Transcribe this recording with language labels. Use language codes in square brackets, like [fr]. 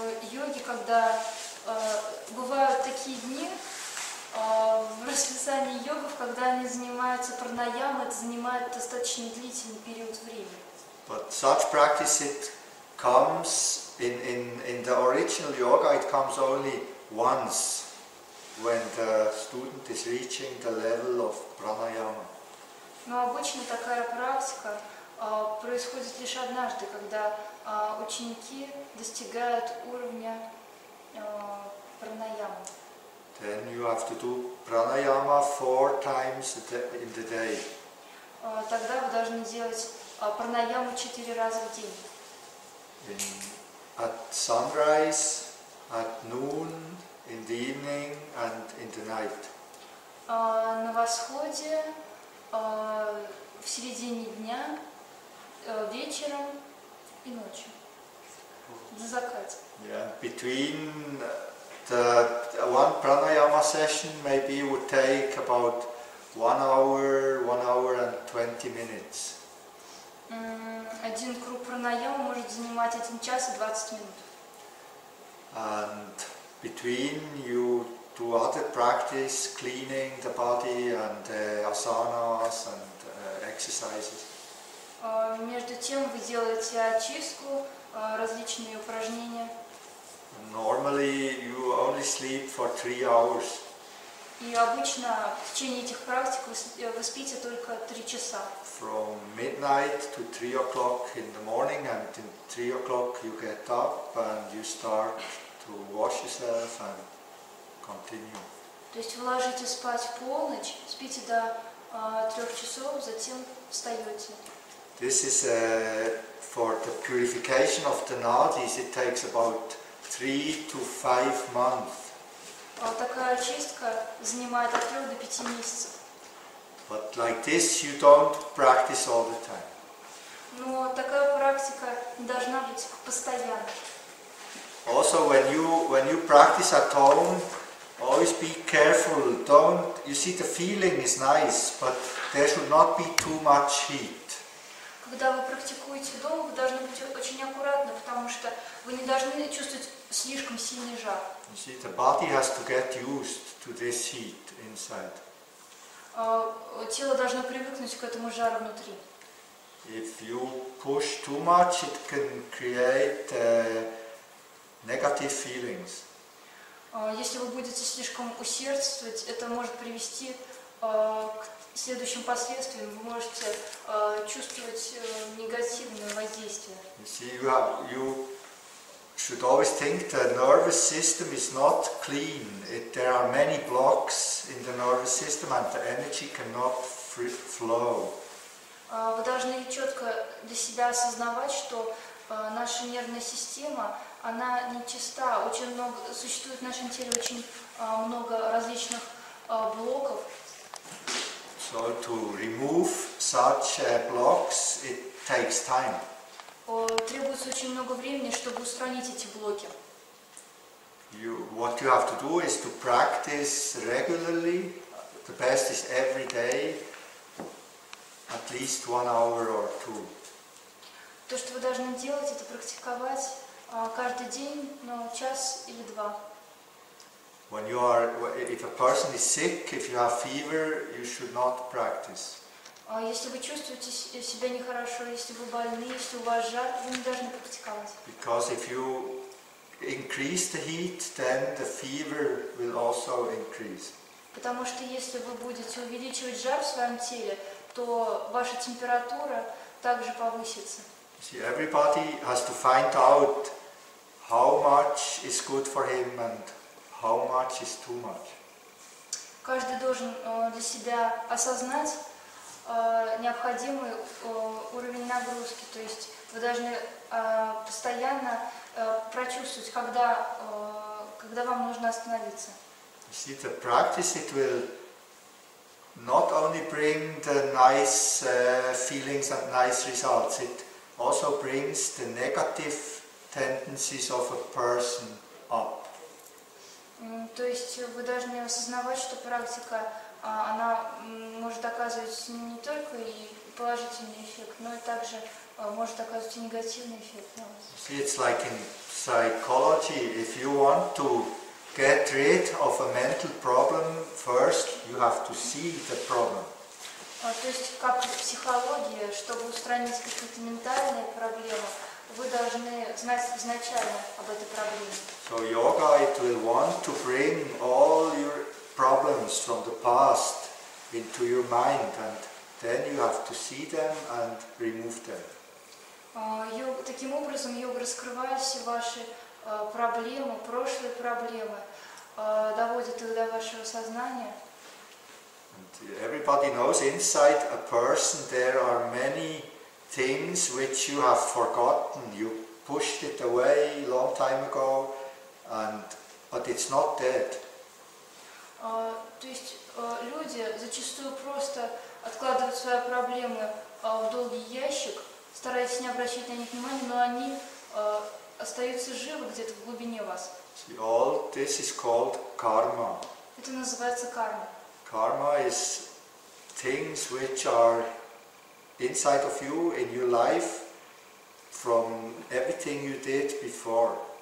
[ru] Йоги, когда бывают такие дни в расписании йогов, когда они занимаются пранаямой, это занимает достаточно длительный период времени. [en] But such practice it comes in the original yoga, it comes only once when the student is reaching the level of pranayama. [ru] Но обычно такая практика происходит лишь однажды, когда ученики достигают уровня пранаямы. [en] Then you have to do pranayama 4 times in the day. [ru] Тогда вы должны делать пранаяму 4 раза в день. [en] At sunrise, at noon, in the evening, and in the night. [ru] На восходе, в середине дня, вечером и ночью. До заката. [en] Yeah, between the one pranayama session maybe would take about 1 hour, 1 hour and 20 minutes. [ru] Один круг пранаяма может занимать 1 час и 20 минут. [en] And between you do other practice, cleaning the body and asanas and exercises. [ru] Между тем вы делаете очистку, различные упражнения. [en] Normally you only sleep for 3 hours. [ru] И обычно в течение этих практик вы спите только 3 часа. [en] From midnight to 3 o'clock in the morning, and at 3 o'clock you get up and you start to wash yourself and continue. [ru] То есть вы ложитесь спать в полночь, спите до 3 часов, затем встаете. [en] This is for the purification of the nadis, it takes about 3 to 5 months. [ru] Вот такая очистка занимает от 3 до 5 месяцев. [en] But like this you don't practice all the time. [ru] Но такая практика должна быть постоянной. [en] Also when you practice at home, always be careful. Don't, you see, the feeling is nice, but there should not be too much heat. [ru] Когда вы практикуете дома, вы должны быть очень аккуратны, потому что вы не должны чувствовать слишком сильный жар. [en] You see, the body has to get used to this heat inside. [ru] Тело должно привыкнуть к этому жару внутри. [en] If you push too much, it can create negative feelings. [ru] Если вы будете слишком усердствовать, это может привести к следующим последствиям. Вы можете чувствовать негативное воздействие. [en] You see, you should always think the nervous system is not clean. There are many blocks in the nervous system, and the energy cannot flow. [ru] Вы должны четко для себя осознавать, что наша нервная система, она нечиста. Очень много существует в нашем теле очень много различных блоков. [en] So to remove such blocks, it takes time. [ru] Требуется очень много времени, чтобы устранить эти блоки. [en] What you have to do is to practice regularly. The best is every day, at least 1 hour or two. [ru] То, что вы должны делать, это практиковать каждый день, но час или два. [en] When you are, if a person is sick, if you have fever, you should not practice. [ru] Если вы чувствуете себя нехорошо, если вы больны, если у вас жар, вы не должны практиковать. [en] Because if you increase the heat, then the fever will also increase. [ru] Потому что если вы будете увеличивать жар в своем теле, то ваша температура также повысится. [en] See, everybody has to find out how much is good for him and how much is too much. [ru] Каждый должен для себя осознать необходимый уровень нагрузки. То есть вы должны постоянно прочувствовать, когда вам нужно остановиться. [en] You see, the practice, it will not only bring the nice feelings and nice results, it also brings the negative tendencies of a person up. [ru] То есть вы должны осознавать, что практика, она может оказывать не только и положительный эффект, но и также может оказывать и негативный эффект на вас. [en] See, it's like in psychology, if you want to get rid of a mental problem, first you have to see the problem. [ru] То есть, как в психологии, чтобы устранить какие-то ментальные проблемы, вы должны знать изначально об этой проблеме. [en] So yoga, it will want to bring all your problems from the past into your mind, and then you have to see them and remove them. [ru] Таким образом, йога раскрывает все ваши проблемы, прошлые проблемы, доводит их до вашего сознания. [en] And everybody knows inside a person there are many things which you have forgotten. You pushed it away a long time ago, but it's not dead. [ru] То есть люди зачастую просто откладывают свои проблемы в долгий ящик, стараясь не обращать на них внимания, но они остаются живы где-то в глубине вас. [en] See, all this is called karma. [ru] Это называется карма. [en] Karma is things which are inside of you, in your life, from everything you did before.